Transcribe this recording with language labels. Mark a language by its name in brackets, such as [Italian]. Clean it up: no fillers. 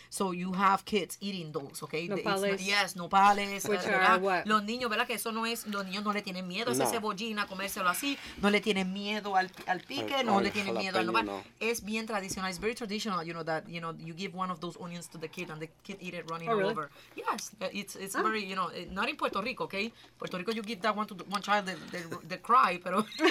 [English] So you have kids eating those, okay? Nopales. Which are what? [Spanish] Los niños, ¿verdad? Que eso no es... Los niños no le tienen miedo a esa cebollina, comérselo así. No le tienen miedo al pique, le tienen miedo al nopal. Es bien tradicional. [English] It's very traditional, you give one of those onions to the kid and the kid eat it running all over. Yes, it's very, not in Puerto Rico, okay? Puerto Rico, you give that one to one child, they cry, pero...